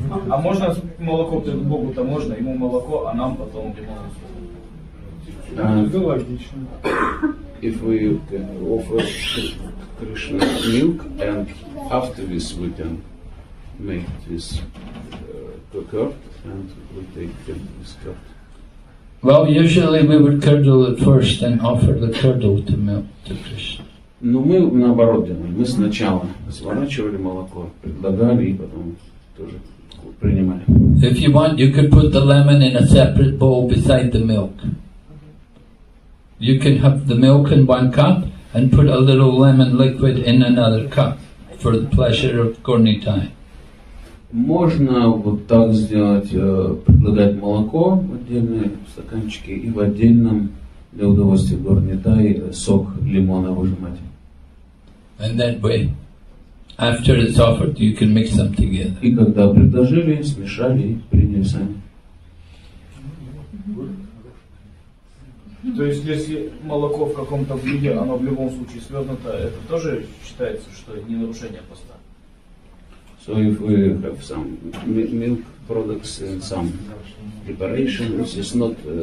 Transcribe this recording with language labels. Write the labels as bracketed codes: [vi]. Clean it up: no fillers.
[ru] А можно молоко перед Богу-то можно, ему молоко, а нам потом лимон. [en] If we can offer Krishna milk and after this we can make this curd and we take them this curd. Well, usually we would curdle it first and offer the curdle to milk to Krishna. [ru] Но мы наоборот делали. Мы сначала сворачивали молоко, предлагали и потом тоже принимали. [en] If you want, you could put the lemon in a separate bowl beside the milk. You can have the milk in one cup and put a little lemon liquid in another cup for the pleasure of Gornitai. [ru] Можно вот так сделать, предлагать молоко в отдельные стаканчики и в отдельном для удовольствия Гурнитай сок лимона выжимать. [en] And that way, after it's offered, you can mix them together. [ru] И когда предложили, смешали, приняли сами. То есть, если молоко в каком-то виде, оно в любом случае свернуто, это тоже считается, что не нарушение поста? [en] So if we have some milk products and some preparation, this is not...